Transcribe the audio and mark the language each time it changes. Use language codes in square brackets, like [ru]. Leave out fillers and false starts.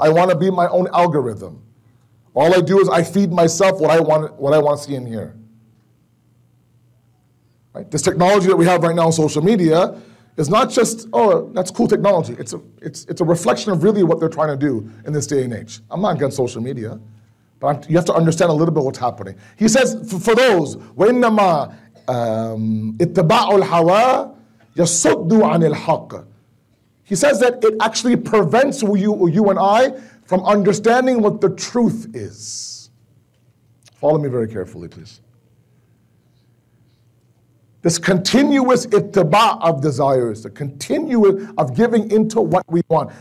[en] I want to be my own algorithm. All I do is I feed myself what I want to see and hear. Right? This technology that we have right now on social media is not just, oh, that's cool technology. It's a reflection of really what they're trying to do in this day and age. I'm not against social media, but you have to understand a little bit what's happening. He says, for those, [ar] وَإِنَّمَا اِتَّبَعُ الْحَوَىٰ يَصُدُّ عَنِ الْحَقِّ. [en] He says that it actually prevents you and I from understanding what the truth is. Follow me very carefully, please. This continuous ittiba of desires, the continuous of giving into what we want.